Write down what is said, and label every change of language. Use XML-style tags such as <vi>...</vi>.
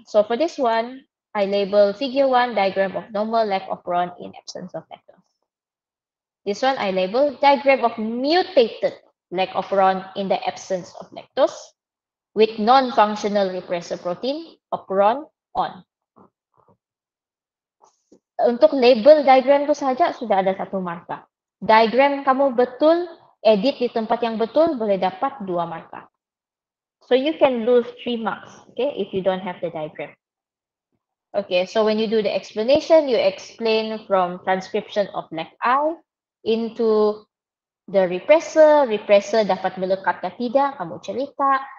<en>So for this one, I label figure 1 diagram of normal lactoferrin in absence of lactose. This one I label diagram of mutated lac operon in the absence of lactose with non-functional repressor protein operon on.</en> <ms>Untuk label diagram itu saja sudah ada satu marka. Diagram kamu betul, edit di tempat yang betul, boleh dapat dua marka.</ms> <en>So you can lose 3 marks, okay, if you don't have the diagram. Okay, so when you do the explanation, you explain from transcription of LACI into the repressor.</en> <ms>Repressor dapat melekat atau tidak, kamu cerita.</ms>